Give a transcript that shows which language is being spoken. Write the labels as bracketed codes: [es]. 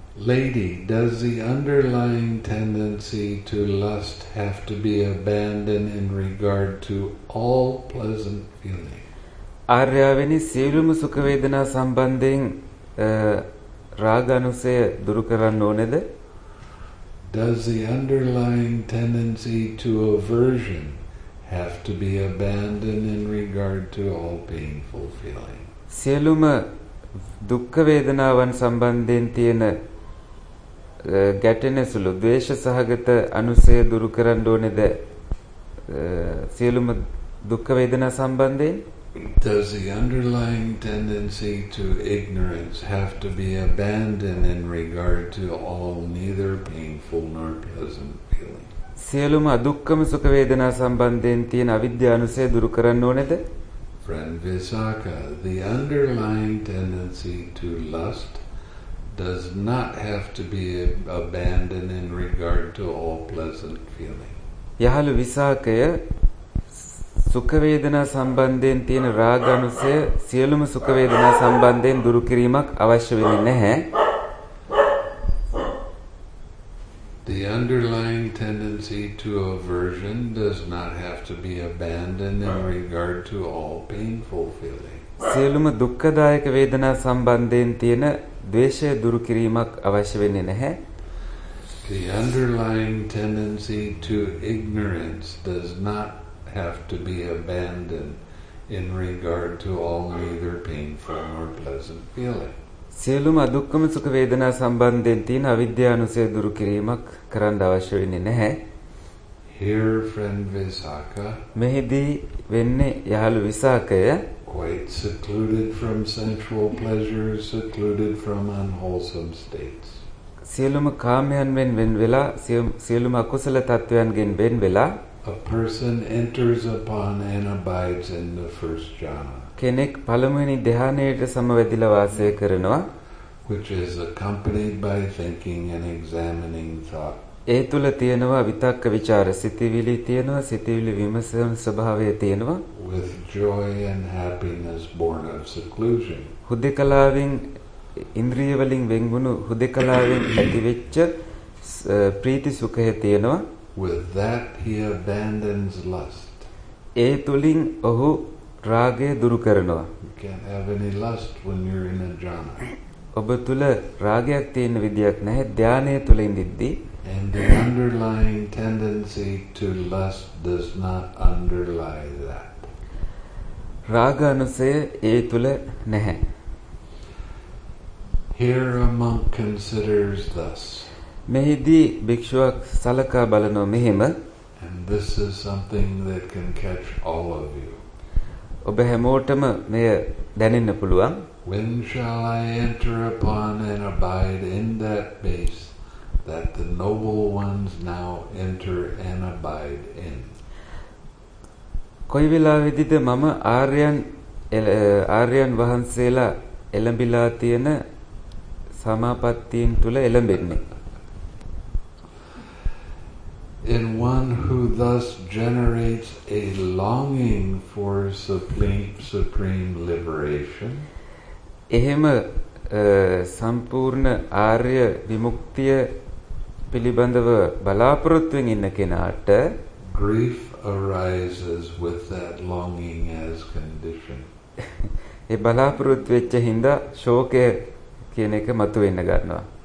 [en] Lady, does the underlying tendency to lust have to be abandoned in regard to all pleasant feeling? [si] ආර්යවෙනි සියලුම සුඛ වේදනා සම්බන්ධයෙන් රාගනුසය දුරු කරන්න ඕනේද? [en] Does the underlying tendency to aversion have to be abandoned in regard to all painful feeling? [si] සියලුම දුක් වේදනාවන් සම්බන්ධයෙන් තියෙන ගැටෙන සුළු ද්වේෂ සහගත අනුසය දුරු කරන්න ඕනේද සියලුම දුක් වේදනා සම්බන්ධයෙන්? [en] Does the underlying tendency to ignorance have to be abandoned in regard to all neither painful nor pleasant feeling? [si] සියලුම දුක්ඛම සුඛ වේදනා සම්බන්ධයෙන් තියෙන අවිද්‍යාව අනුසය දුරු කරන්න ඕනේද? [en] Friend Visakha, the underlying tendency to lust does not have to be abandoned in regard to all pleasant feeling. [si] යහළ විසාකය සුඛ වේදනා සම්බන්ධයෙන් තියෙන රාගනුසය සියලුම සුඛ වේදනා සම්බන්ධයෙන් දුරු කිරීමක් අවශ්‍ය වෙන්නේ නැහැ. [en] The underlying tendency to aversion does not have to be abandoned in regard to all painful feeling. [si] සියලුම දුක්ඛදායක වේදනා සම්බන්ධයෙන් තියෙන ද්වේෂය දුරු කිරීමක් අවශ්‍ය වෙන්නේ නැහැ. [en] The underlying tendency to ignorance does not have to be abandoned in regard to all neither painful nor pleasant feeling. [si] සියලුම දුක්ඛම සුඛ වේදනා සම්බන්ධයෙන් තියෙන අවිද්‍යාව නුසය දුරු කිරීමක් කරන්න අවශ්‍ය වෙන්නේ නැහැ. [en] Here, friend Visakha. [si] මෙහිදී වෙන්නේ යහළු විසාකය. [en] Quite secluded from sensual pleasures, secluded from unwholesome states. [si] සියලුම කාමයන් වෙන් වෙලා සියලුම අකුසල තත්වයන්ගෙන් වෙන් වෙලා. [en] A person enters upon and abides in the first jhana. [si] කෙනෙක් පළමුවෙනි ධ්‍යානයට සමවැදිලා වාසය කරනවා. [en] Which is accompanied by thinking and examining thought. [si] ඒ තුල තියෙනවා විතක්ක ਵਿਚාර සිතිවිලි තියෙනවා සිතිවිලි විමසන ස්වභාවය තියෙනවා. [en] With joy and happiness born of seclusion. [si] හුදෙකලාවෙන් ඉන්ද්‍රිය වලින් වෙන්ගුණු හුදෙකලාවෙන් ඇතිවෙච්ච ප්‍රීති සුඛය තියෙනවා. [en] With that he abandons lust. [si] ඒ තුලින් ඔහු රාගය දුරු කරනවා. [en] You can't have any lust when you're in a jhana. [si] ඔබ තුල රාගයක් තියෙන විදියක් නැහැ ධානය තුල ඉඳිද්දී. [en] And the underlying tendency to lust does not underlie that. [si] රාගනුසය ඒ තුල නැහැ. [en] Here a monk considers thus. [si] මෙහිදී භික්ෂුවක් සලකා බලනව මෙහෙම. [en] And this is something that can catch all of you. [si] ඔබ හැමෝටම මෙය දැනෙන්න පුළුවන්. [en] When shall I enter upon and abide in that base that the noble ones now enter and abide in? [si] කොයි වෙලාවෙදිද මම ආර්යයන් ආර්යයන් වහන්සේලා එළඹිලා තියෙන සමාපත්තීන් තුළ එළඹෙන්නේ. [en] In one who thus generates a longing for supreme liberation, [si] එහෙම සම්පූර්ණ ආර්ය විමුක්තිය පිළිබඳව බලාපොරොත්තුෙන් ඉන්න කෙනාට [en] grief arises with that longing as condition. [si] ඒ බලාපොරොත්තු වෙච්ච හින්දා ශෝකය කියන එක මතුවෙන්න ගන්නවා.